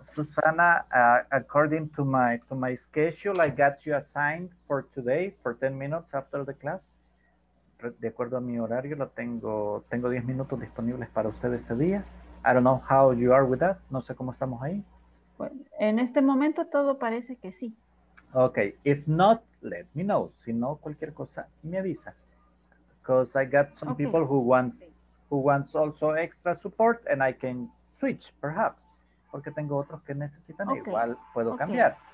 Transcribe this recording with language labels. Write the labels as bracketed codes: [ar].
[en] Susana, according to my schedule, I got you assigned for today for 10 minutes after the class. [es] De acuerdo a mi horario, lo tengo 10 minutos disponibles para usted este día. [en] I don't know how you are with that. [es] No sé cómo estamos ahí. Well, en este momento todo parece que sí. [en] Okay, if not, let me know. [es] Si no, cualquier cosa, me avisa. [en] Because I got some people who wants also extra support and I can switch, perhaps. [es] Porque tengo otros que necesitan, igual puedo cambiar.